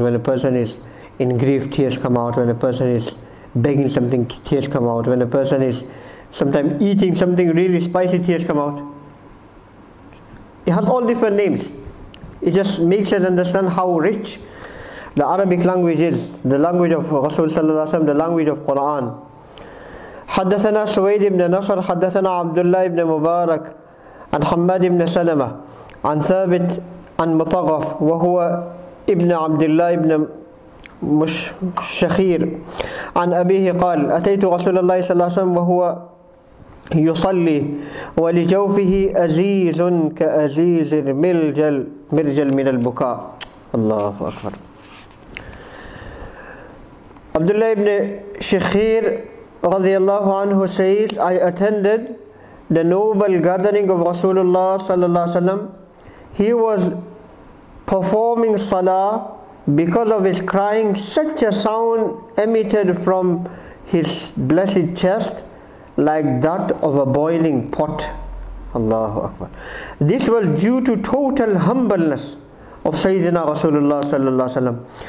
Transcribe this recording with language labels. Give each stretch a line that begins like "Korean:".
English: When a person is in grief, tears come out. When a person is begging something, tears come out. When a person is sometimes eating something really spicy, tears come out. It has all different names. It just makes us understand how rich the Arabic language is, the language of Rasul sallallahu alaihi wasallam, the language of Quran.
Arabic: حدثنا سويد بن نصر حدثنا عبد الله بن مبارك عن حماد بن سلمة عن ثابت عن مطغف وهو ابن عبد الله بن مش شخير عن أبيه قال أتيت رسول الله صلى الله عليه وسلم وهو يصلي ولجوفه أزيز كأزيز المرجل من البكاء. الله أكبر.
English: عبد الله بن شخير
Arabic: رضي الله عنه
English: says I attended the noble gathering of Rasulullah
Arabic: صلى الله عليه وسلم.
English: He was performing salah because of his crying, such a sound emitted from his blessed chest like that of a boiling pot. Allahu Akbar. This was due to total humbleness of Sayyidina Rasulullah sallallahu alaihi wasallam.